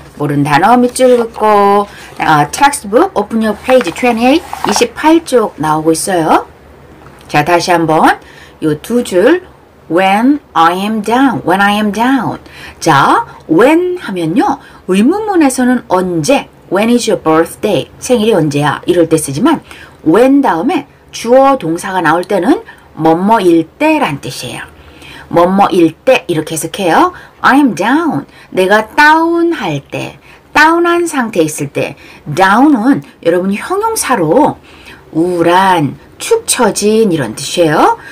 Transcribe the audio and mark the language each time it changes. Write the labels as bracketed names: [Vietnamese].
[Korean] 옳은 단어 밑줄 긋고 [English] textbook open your page 28, [Korean] 28쪽 나오고 있어요. 자, 다시 한번 요 두 줄 [English] when I am down, when I am down. [Korean] 자, when 하면요. 의문문에서는 언제, [English] when is your birthday, [Korean] 생일이 언제야, 이럴 때 쓰지만 when 다음에 주어 동사가 나올 때는 뭐뭐일 때란 뜻이에요. 뭐뭐일 때 이렇게 해석해요. [English] I'm down. [Korean] 내가 다운할 때, 다운한 상태에 있을 때, down은 여러분이 형용사로 우울한, 축 처진 이런 뜻이에요.